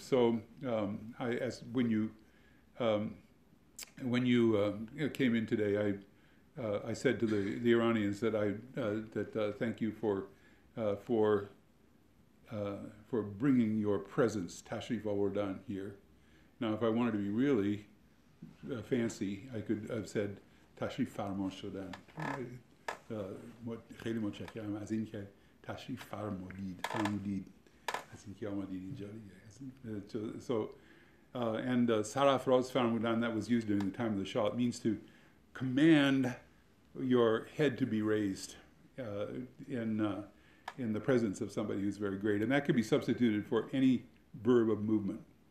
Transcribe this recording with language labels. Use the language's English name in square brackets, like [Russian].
[English] So when you came in today, I said to the Iranians that thank you for bringing your presence, [Persian] Tashrif Awardan, [English] here. Now, if I wanted to be really fancy, I could have said [Persian] Tashrif Farmon Shodan. خیلی متشکرم از اینکه تشریف فرمودید. فرمودید از اینکه آمدید اینجا دیگه. [English] So [Persian] Sarafroz Farmudan, [English] that was used during the time of the Shah, it means to command your head to be raised in the presence of somebody who's very great, and that could be substituted for any verb of movement.